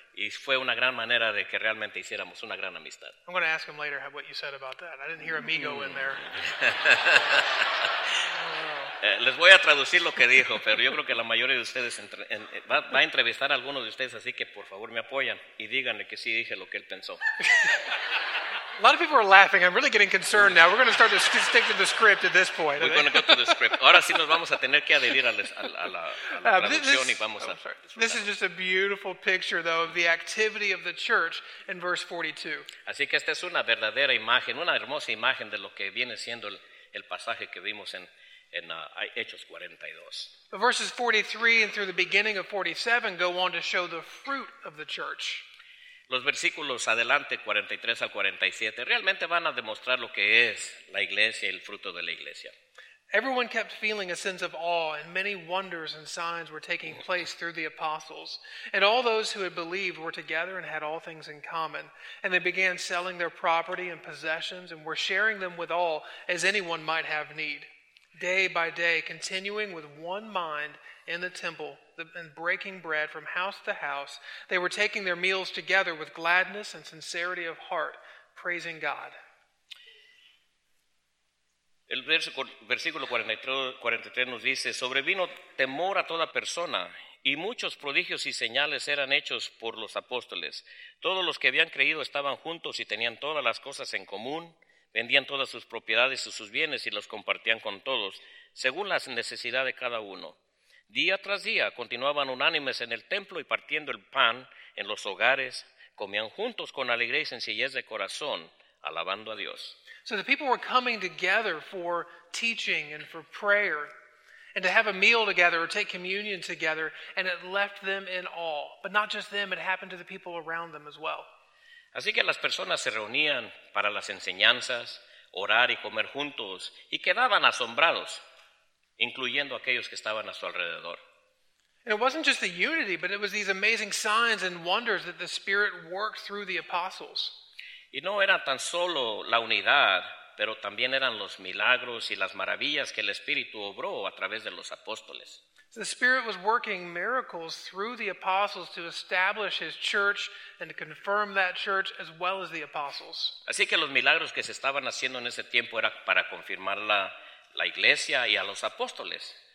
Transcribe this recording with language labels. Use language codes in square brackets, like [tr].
[es] Y fue una gran manera de que realmente hiciéramos una gran amistad. [en] I'm going to ask him later what you said about that. I didn't hear amigo in there. [es] Les voy a traducir lo que dijo, pero yo creo que la mayoría de ustedes va a entrevistar a alguno de ustedes, así que por favor me apoyan y díganle que sí dije lo que él pensó. [en] A lot of people are laughing. I'm really getting concerned now. We're going to start to stick to the script at this point. We're going to go to the script. [es] Ahora sí nos vamos a tener que adherir a la traducción y vamos a disfrutar. [en] This is just a beautiful picture, though, of the activity of the church in verse 42. [es] Así que esta es una verdadera imagen, una hermosa imagen de lo que viene siendo el pasaje que vimos en Hechos 42. [en] But verses 43 and through the beginning of 47 go on to show the fruit of the church. [es] Los versículos adelante, 43 al 47, realmente van a demostrar lo que es la iglesia y el fruto de la iglesia. [en] Everyone kept feeling a sense of awe, and many wonders and signs were taking place through the apostles. And all those who had believed were together and had all things in common. And they began selling their property and possessions and were sharing them with all as anyone might have need. Day by day, continuing with one mind in the temple and breaking bread from house to house, they were taking their meals together with gladness and sincerity of heart, praising God. [es] El versículo 43 nos dice, sobrevino temor a toda persona, y muchos prodigios y señales eran hechos por los apóstoles. Todos los que habían creído estaban juntos y tenían todas las cosas en común, vendían todas sus propiedades y sus bienes y los compartían con todos, según la necesidad de cada uno. Día tras día continuaban unánimes en el templo y partiendo el pan en los hogares, comían juntos con alegría y sencillez de corazón, alabando a Dios. [en] So the people were coming together for teaching and for prayer, and to have a meal together or take communion together, and it left them in awe. But not just them, it happened to the people around them as well. [es] Así que las personas se reunían para las enseñanzas, orar y comer juntos, y quedaban asombrados, incluyendo aquellos que estaban a su alrededor. [en] And it wasn't just the unity, but it was these amazing signs and wonders that the Spirit worked through the apostles. [es] Y no era tan solo la unidad, pero también eran los milagros y las maravillas que el Espíritu obró a través de los apóstoles. [en] So the Spirit was working miracles through the apostles to establish his church and to confirm that church as well as the apostles. [es] Así que los milagros que se estaban haciendo en ese tiempo era para confirmar la iglesia y a los apóstoles.